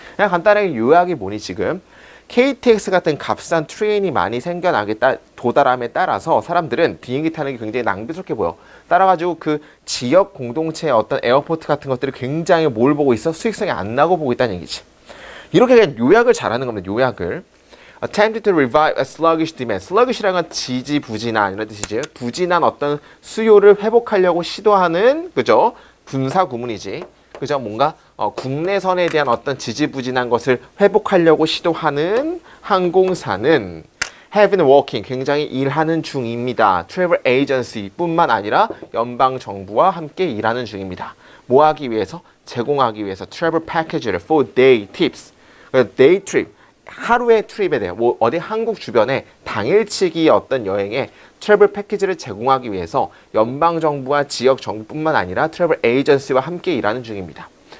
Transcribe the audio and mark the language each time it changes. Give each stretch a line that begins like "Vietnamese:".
Korean: 그냥 간단하게 요약이 뭐니, 지금? KTX 같은 값싼 트레인이 많이 생겨나게 도달함에 따라서 사람들은 비행기 타는 게 굉장히 낭비스럽게 보여. 따라가지고 그 지역 공동체의 어떤 에어포트 같은 것들을 굉장히 뭘 보고 있어? 수익성이 안 나고 보고 있다는 얘기지. 이렇게 그냥 요약을 잘하는 겁니다. 요약을.
English: Attempted to revive a sluggish demand.
Korean: Sluggish라는 건 지지부진한 이런 뜻이지. 부진한 어떤 수요를 회복하려고 시도하는 그죠? 분사 구문이지. 그죠? 뭔가 국내선에 대한 어떤 지지부진한 것을 회복하려고 시도하는 항공사는
English: have been working
Korean: 굉장히 일하는 중입니다. Travel agency 뿐만 아니라 연방 정부와 함께 일하는 중입니다. 뭐 하기 위해서? 제공하기 위해서 travel package를
English: for day tips.
Korean: day trip 하루의 트립에 대해 뭐 어디 한국 주변에 당일치기 어떤 여행에 트래블 패키지를 제공하기 위해서 연방 정부와 지역 정부뿐만 아니라 트래블 에이전시와 함께 일하는 중입니다.